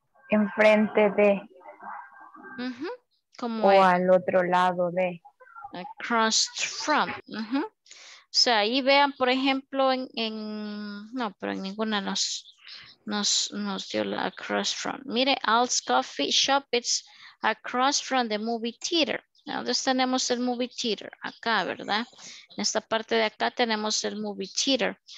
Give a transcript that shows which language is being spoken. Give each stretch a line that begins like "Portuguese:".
Spanish: Enfrente de. ¿Cómo o es? Al otro lado de.
English: Across from.
Spanish: O sea, ahí vean, por ejemplo, en no, pero en ninguna nos dio la across from.
English: Mire, Al's Coffee Shop, it's across from the movie theater.
Spanish: Entonces tenemos el movie theater acá, ¿verdad? En esta parte de acá tenemos el movie theater.